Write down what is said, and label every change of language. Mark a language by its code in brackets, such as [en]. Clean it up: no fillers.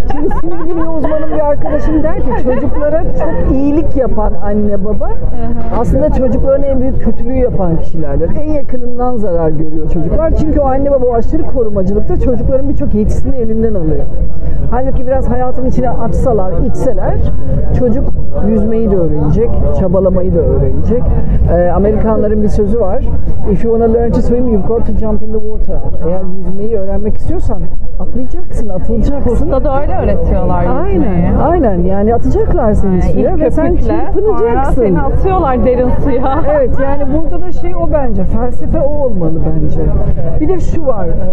[tr] Şimdi sinir bilim uzmanım bir arkadaşım der ki çocuklara çok iyilik yapan anne baba aslında çocukların en büyük kötülüğü yapan kişilerdir. En yakınından zarar görüyor çocuklar. Çünkü o anne baba o aşırı korumacılıkta çocukların birçok yetisini elinden alıyor. Halbuki biraz hayatın içine atsalar, içseler çocuk yüzmeyi de öğrenecek, çabalamayı da öğrenecek. Amerikanların bir sözü var. [en] If you want to learn to swim, you've got to jump in the water. [tr] Eğer yüzmeyi öğrenmek istiyorsan atlayacaksın, atılacaksın. Usta da öyle öğretiyorlar yüzmeyi. Aynen, aynen. Yani atacaklar seni suya ve sen çırpınacaksın. Sonra seni atıyorlar derin suya. Evet, yani burada da şey o bence. Felsefe o olmalı bence. Bir de şu var.